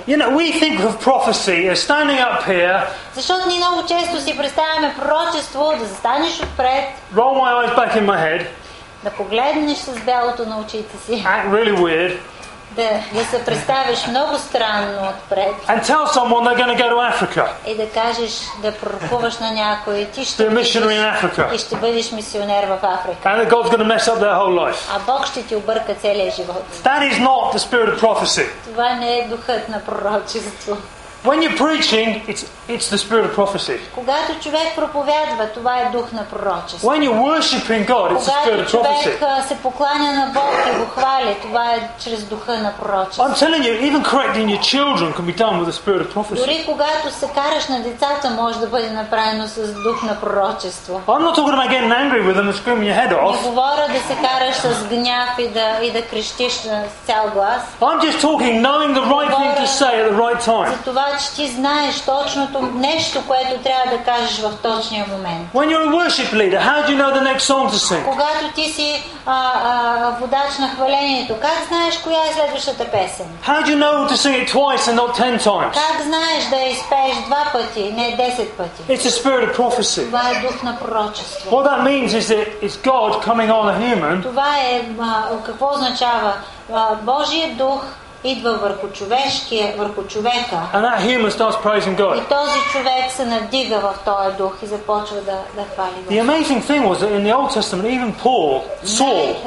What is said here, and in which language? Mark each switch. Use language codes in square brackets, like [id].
[en] You know, we think of prophecy as standing up here. [bg] Защото ние много често си представяме пророчество да застанеш отпред. [en] Roll my eyes back in my head. [bg] Да погледнеш с бялото на очите си. [en] Act really weird. [bg] Да се представиш много странно отпред. [en] And tell someone they're going to go to Africa. [bg] И да кажеш, да пророкуваш на някой, ти ще [en] missionary in Africa. [bg] И ще бъдеш мисионер в Африка. [en] And God's going to mess up their whole life. [bg] А Бог ще ти обърка целия живот. [en] That is not the spirit of prophecy. [bg] Това не е духът на пророчество. [en] When you're preaching, it's the spirit of prophecy. [bg] Когато човек проповядва, това е дух на пророчество. [en] When you're worshiping God, it's the spirit of prophecy. [bg] Когато човек се покланя на Бог и го хвали, това е чрез духа на пророчество. [en] I'm telling you, even correcting your children can be done with the spirit of prophecy. [bg] Дори когато се караш на децата, може да бъде направено с дух на пророчество. [en] I'm not talking about getting angry with them and screaming your head off. [bg] Не говоря да се караш с гняв и да крещиш на цял глас. [en] I'm just talking knowing the right thing to say at the right time. [bg] Че ти знаеш точното нещо, което трябва да кажеш в точния момент. [en] When you're a worship leader, how do you know the next song to sing? [bg] Когато ти си водач на хвалението, как знаеш коя е следващата песен? [en] How do you know to sing it twice and not 10 times? [bg] Как знаеш да я изпееш два пъти, не 10 пъти? [en] It's the spirit of prophecy. [bg] Това е дух на пророчество. [en] What that means is that it's God coming on a human. [bg] Това е какво означава? Божият дух идва върху човешкия, върху човека. [en] And that human starts praising God. [bg] И този човек се надига в този дух и започва да хвали Бога. [en] The amazing thing was that in the Old Testament even Paul, Saul.